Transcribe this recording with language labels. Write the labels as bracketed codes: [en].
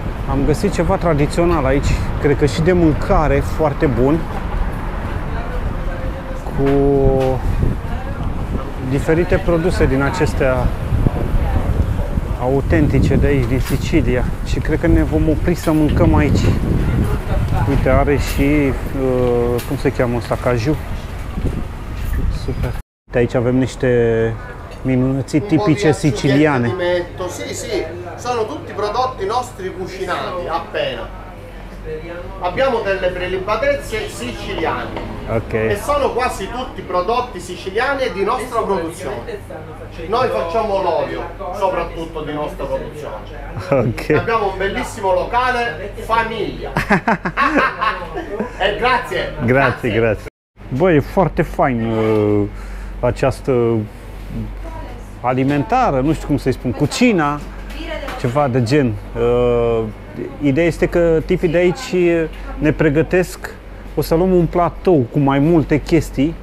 [ro] Am găsit ceva tradițional aici, cred că și de mâncare, foarte bun, cu diferite produse din acestea autentice de aici, din Sicilia, și cred că ne vom opri să mâncăm aici. Uite, are și, cum se cheamă ăsta, caju. Super. De aici avem niște minunății tipice siciliane. [it] Sì, sì, sono tutti prodotti nostri cucinati appena. Abbiamo delle prelibatezze siciliane. Ok. E sono quasi tutti prodotti siciliani di nostra produzione. Noi facciamo l'olio soprattutto di nostra produzione. Ok. Abbiamo un bellissimo locale famiglia. E grazie. Grazie, grazie. [ro] Boh, è forte fine această alimentară, nu știu cum să-i spun, cucina, ceva de gen. Ideea este că tipii de aici ne pregătesc, o să luăm un platou cu mai multe chestii.